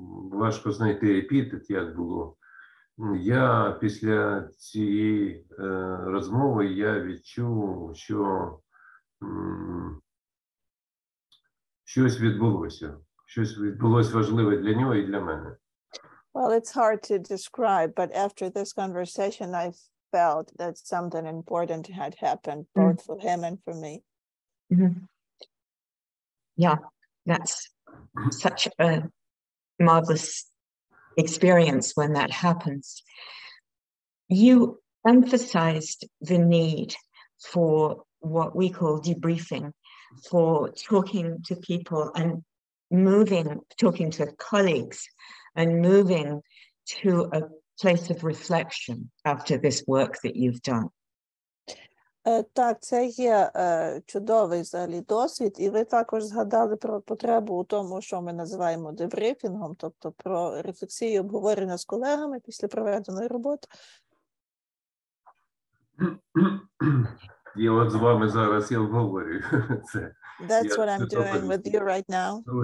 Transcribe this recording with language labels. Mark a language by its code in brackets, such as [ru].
[uk] Важко знайти епітет, як було. Я після цієї розмови я відчув, що щось відбулося важливе для нього і для мене. [en] Well, it's hard to describe, but after this conversation I felt that something important had happened both for him and for me. Mm-hmm. Yeah, that's such a marvelous experience when that happens. You emphasized the need for what we call debriefing, for talking to people and moving, talking to colleagues and moving to a place of reflection after this work that you've done. [uk] Так, це є чудовий взагалі досвід, і ви також згадали про потребу у тому, що ми називаємо дебрифінгом, тобто про рефлексію обговорення з колегами після проведеної роботи. Я от з вами зараз і обговорю це. [en] That's what I'm doing with you right now.